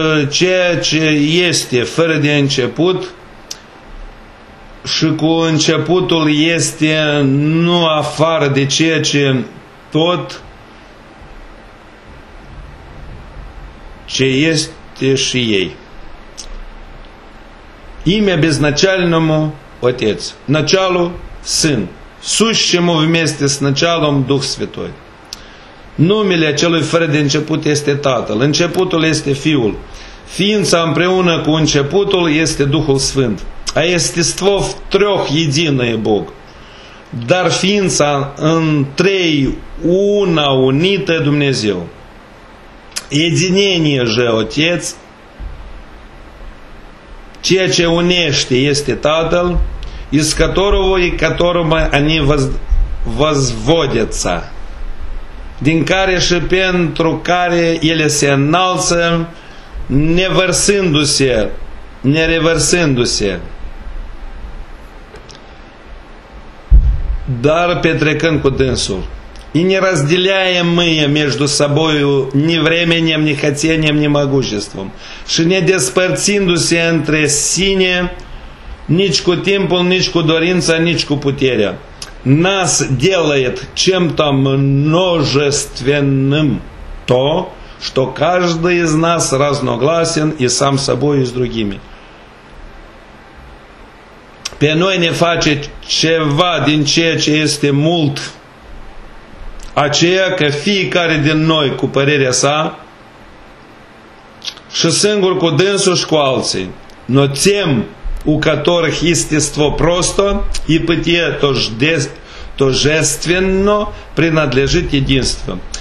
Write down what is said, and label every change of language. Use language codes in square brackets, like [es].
[ro] Ce este fără de început și cu începutul este nu afară de ceea ce tot ce este și ei. [ru] Имя безначальному Отец. Началу Сын. Сущему вместе с началом Дух Святой. [ro] Numele acelui fără de început este Tatăl. Începutul este Fiul. Ființa împreună cu începutul este Duhul Sfânt. [ru] А естество в трех единое Бог. [ro] Dar ființa în trei una unită Dumnezeu. [ru] Единение же Отец. [ro] Ceea ce unește este Tatăl, [ru] из которого и которому они возводятся, [ro] din care și pentru care ele se înalță, nevărsându-se, nerevărsându-se, dar petrecând cu dânsul. [ru] И не разделяем мы между собою ни временем, ни хотением, ни могуществом. [ro] Și не despărțindu-se între sine, nici cu timpul, nici cu dorința, nici cu puterea. [ru] Нас делает чем-то множественным то, что каждый из нас разногласен и сам собой, и с другими. [ro] Pe noi ne face ceva din ceea ce este mult, aceea că fiecare din noi cu părerea sa și singur cu dânsul și cu alții, [ru] но тем, у которых естество просто и пытье тожественно принадлежит единству.